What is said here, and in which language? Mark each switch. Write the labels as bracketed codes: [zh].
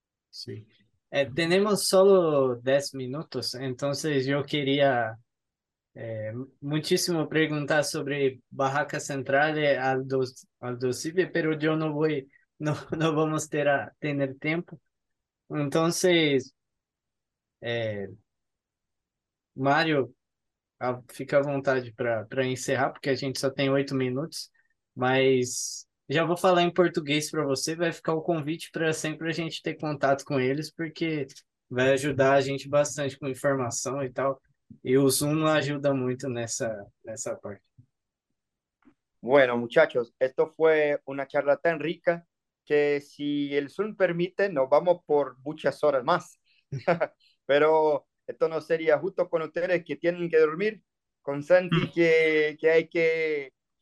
[es] Sí. Tenemos solo 10 minutos, entonces yo quería muchísimo preguntar sobre Barracas Centrales al Dosive, pero yo no vamos a tener tiempo. [pt] Entonces, Mario, fica à vontade para encerrar, porque a gente só tem 8 minutos, mas já vou falar em português para você, vai ficar o convite para sempre a gente ter contato com eles, porque vai ajudar a gente bastante com informação e tal, e o Zoom ajuda muito nessa parte. [es] Bueno, muchachos, esto fue una charla tan rica que si el Zoom permite, nos vamos por muchas horas más. Pero esto no sería justo con ustedes que tienen que dormir, con Santi que hay que...